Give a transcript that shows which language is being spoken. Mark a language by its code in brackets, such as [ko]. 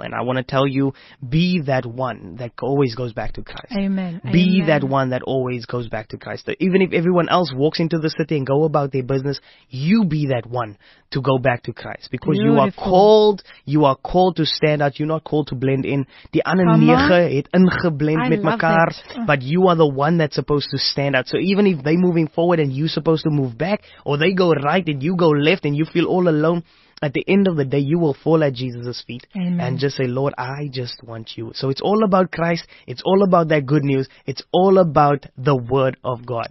[en] And I want to tell you, be that one that always goes back to Christ. Amen. Be Amen. That one that always goes back to Christ. Even if everyone else walks into the city and go about their business, you be that one to go back to Christ. Because Beautiful. you are called to stand out. You're not called to blend in. [af] Die ander nege het ingeblend met mekaar. [en] But you are the one that's supposed to stand out. So even if they're moving forward and you're supposed to move back, or they go right and you go left and you feel all alone, at the end of the day, you will fall at Jesus' feet. Amen. And just say, Lord, I just want you. So it's all about Christ. It's all about that good news. It's all about the word of God.